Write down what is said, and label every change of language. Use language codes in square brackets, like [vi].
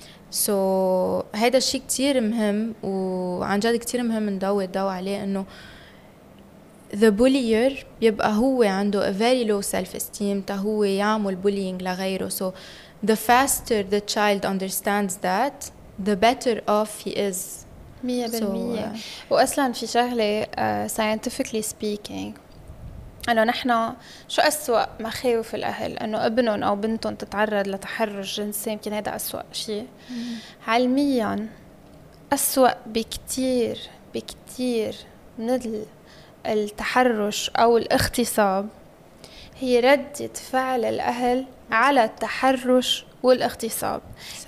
[ar] سو هذا الشيء كتير مهم, وعن جد كتير مهم نضوي الضوء عليه, انه [en] the bullier [ar] بيبقى هو عنده [en] a very low self-esteem [ar] تا هو يعمل bullying لغيره. [en] So the faster the child understands that, the better off he is. 100%. [ar] So, وأصلا في شغلة [en] scientifically speaking, [ar] أنه نحن شو أسوأ مخاوف الأهل؟ أنه ابنهم أو بنتهم تتعرض لتحرش جنسي, يمكن هذا أسوأ شيء. علميا أسوأ بكتير من التحرش أو الاغتصاب هي ردة فعل الأهل على التحرش والاغتصاب. صح.